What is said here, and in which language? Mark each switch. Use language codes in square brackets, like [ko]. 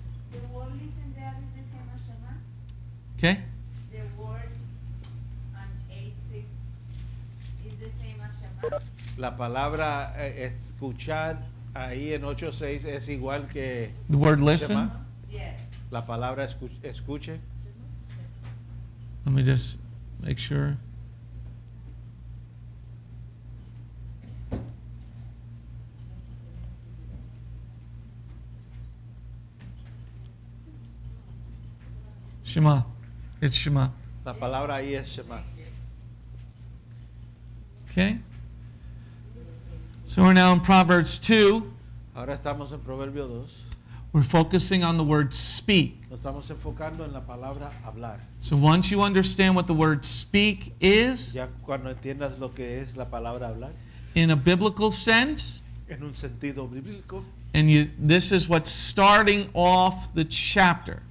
[en] The world is in the eyes of Hashem. Okay. The word and 8:6 is the same as Shema. [es] La palabra escuchar ahí en 8:6 es igual que [en] the word listen. [es] La palabra escuche. [en] Let me just make sure. Shema. It's Shema. [es] La palabra ahí es Shema. [en] Okay. So we're now in Proverbs 2. [es] Ahora estamos en Proverbio 2. [en] We're focusing on the word speak. [es] Nos estamos enfocando en la palabra hablar. [en] So once you understand what the word speak is, [es] ya cuando entiendas lo que es la palabra hablar, [en] in a biblical sense, [es] en un sentido bíblico, [en] and you, this is what's starting off the chapter.